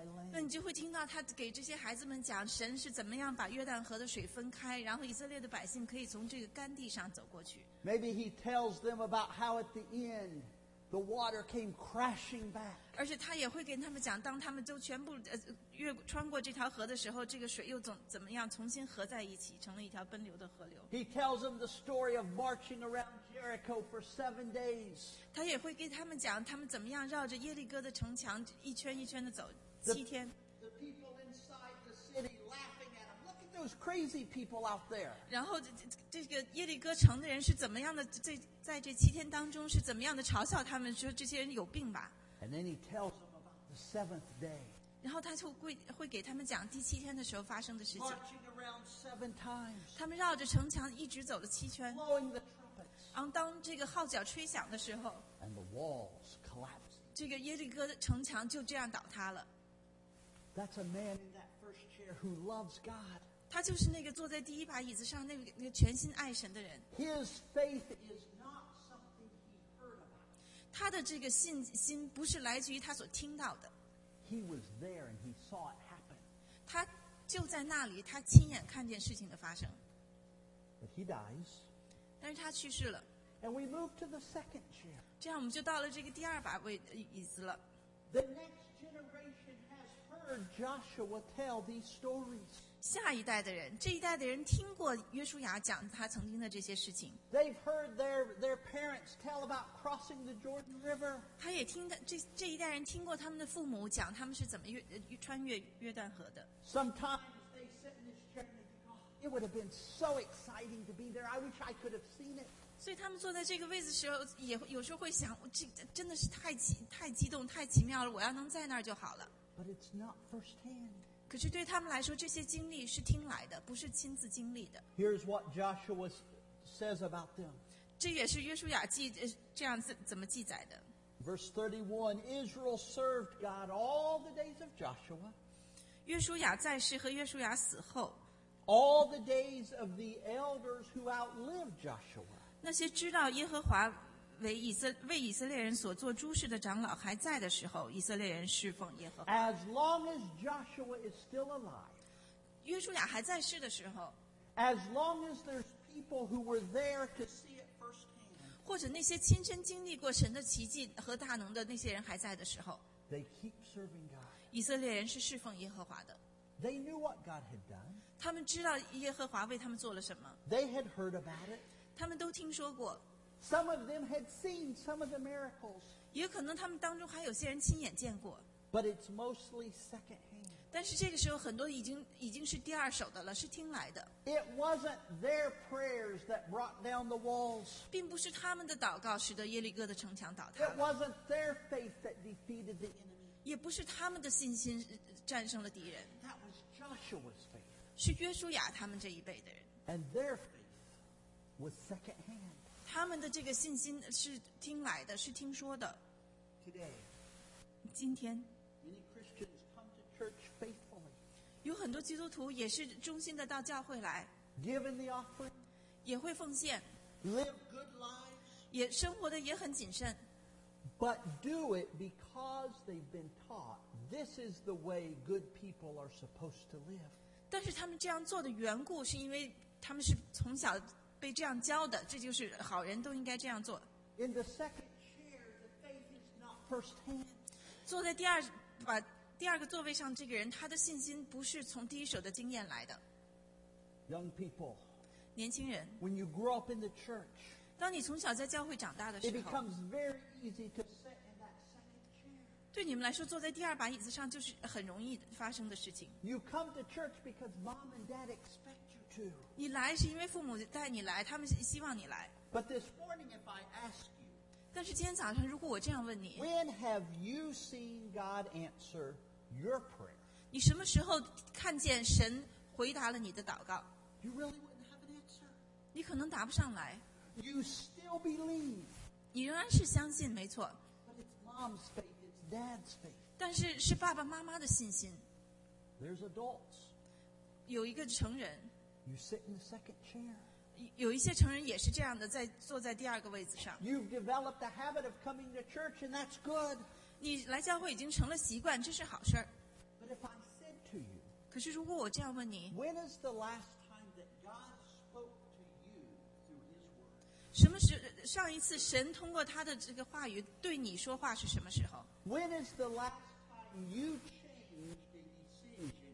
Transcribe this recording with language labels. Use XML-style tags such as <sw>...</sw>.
<zh>那你就会听到他给这些孩子们讲神是怎么样把约旦河的水分开，然后以色列的百姓可以从这个干地上走过去。</zh> <en>Maybe he tells them about how at the end the water came crashing back.</en> <zh>而且他也会跟他们讲，当他们都全部越穿过这条河的时候，这个水又怎么样重新合在一起，成了一条奔流的河流。</zh> <en>He tells them the story of marching around Jericho for 7 days.</en> <zh>他也会跟他们讲，他们怎么样绕着耶利哥的城墙一圈一圈的走。</zh> <en>The people inside the city laughing at him. Look at those crazy people out there.</en> <zh>然后这个耶利哥城的人是怎么样的？在这七天当中是怎么样的嘲笑他们，说这些人有病吧。</zh> <en>And then he tells them about the seventh day.</en> <zh>然后他就 会给他们讲第七天的时候发生的事情。</zh> <en>Marching around seven times,</en> <zh>他们绕着城墙一直走了七圈。</zh> <en>Blowing the trumpets,</en> <zh>然后当这个号角吹响的时候</zh> <en>and the walls collapsed.</en> <zh>这个耶利哥的城墙就这样倒塌了。</zh> <en>That's a man in that first chair who loves God.</en> <zh>他就是那个坐在第一把椅子上那个全心爱神的人。</zh> <en>His faith is not something he heard about.</en> <zh>他的这个信心不是来自于他所听到的。</zh> <en>He was there and he saw it happen.</en> <zh>他就在那里，他亲眼看见事情的发生。</zh> <en>But he dies.</en> <zh>但是他去世了。</zh> <en>And we move to the second chair.</en> <zh>这样我们就到了这个第二把椅子了。</zh> <en>The next generation has heard Joshua tell these stories.</en> <zh>下一代的人，这一代的人听过约书亚讲他曾经的这些事情。</zh> <en>They've heard their parents tell about crossing the Jordan River.</en> <zh>他也听到这一代人听过他们的父母讲他们是怎么穿越约旦河的。</zh> <en>Sometimes they sit in this chair and think, "It would have been so exciting to be there. I wish I could have seen it."</en> <zh>所以他们坐在这个位置的时候，也有时候会想，这真的是太激动、太奇妙了。我要能在那儿就好了。</zh> <en>But it's not firsthand.</en> <zh>可是对他们来说，这些经历是听来的，不是亲自经历的。</zh> <en>Here's what Joshua says about them.</en> <zh>这也是约书亚记这样怎么记载的。</zh> <en>Verse 31, Israel served God all the days of Joshua.</en> <zh>约书亚在世和约书亚死后。</zh> <en>All the days of the elders who outlived Joshua.</en> <zh>那些知道耶和华为以色列人所做诸事的长老还在的时候，以色列人侍奉耶和华。</zh> <en>As long as Joshua is still alive,</en> <zh>约书亚还在世的时候，</zh> <en>as long as there's people who were there to see it firsthand,</en> <zh>或者那些亲身经历过神的奇迹和大能的那些人还在的时候，</zh> <en>they keep serving God.</en> <zh>以色列人是侍奉耶和华的。</zh> <en>They knew what God had done.</en> <zh>他们知道耶和华为他们做了什么。</zh> <en>They had heard about it.</en> <zh>他们都听说过。</zh> <en>Some of them had seen some of the miracles.</en> <zh>也可能他们当中还有些人亲眼见过。</zh> <en>But it's mostly secondhand.</en> <zh>但是这个时候很多已经是第二手的了，是听来的。</zh> <en>It wasn't their prayers that brought down the walls.</en> <zh>并不是他们的祷告使得耶利哥的城墙倒塌。</zh> <en>It wasn't their faith that defeated the enemy.</en> <zh>也不是他们的信心战胜了敌人。</zh> <en>That was Joshua's faith.</en> <zh>是约书亚他们这一辈的人。</zh> <en>And their faith was secondhand.</en> <zh>他们的这个信心是听来的，是听说的。</zh> <en>Today,</en> <zh>今天</zh> <en>many Christians come to church faithfully,</en> <zh>有很多基督徒也是忠心的到教会来，</zh> <en>given the offering,</en> <zh>也会奉献，</zh> <en>live good lives,</en> <zh>也生活的也很谨慎，</zh> <en>but do it because they've been taught this is the way good people are supposed to live.</en> <zh>但是他们这样做的缘故是因为他们是从小被这样教的，这就是好人都应该这样做。</zh> <en>In the second chair, the faith is not firsthand.</en> <zh>坐在第二个座位上，这个人他的信心不是从第一手的经验来的。</zh> <en>Young people,</en> <zh>年轻人</zh> <en>，when you grow up in the church,</en> <zh>当你从小在教会长大的时候</zh> <en>，it becomes very easy to sit in that second chair.</en> <zh>对你们来说，坐在第二把椅子上就是很容易发生的事情。</zh> <en>You come to church because mom and dad expect.</en> <zh>你来是因为父母带你来，他们希望你来。</zh> <en>But this morning, if I ask you,</en> <zh>但是今天早上如果我这样问你，</zh> <en>When have you seen God answer your prayer?</en> <zh>你什么时候看见神回答了你的祷告？</zh> <en>You really wouldn't have an answer.</en> <zh>你可能答不上来。</zh> <en>You still believe.</en> <zh>你仍然是相信，没错。</zh> <en>But it's mom's faith, it's dad's faith.</en> <zh>但是是爸爸妈妈的信心。</zh> <en>There's adults.</en> <zh>有一个成人。</zh> <en>You sit in the second chair.</en> <zh>有一些成人也是这样的，在坐在第二个位置上。</zh> <en>You've developed the habit of coming to church, and that's good.</en> <zh>你来教会已经成了习惯，这是好事。</zh> <en>But if I said to you,</en> <zh>可是如果我这样问你，</zh> <en>When is the last time that God spoke to you through His word?</en> <zh>什么时上一次神通过他的这个话语对你说话是什么时候？</zh> <en>When is the last time you changed a decision?</en>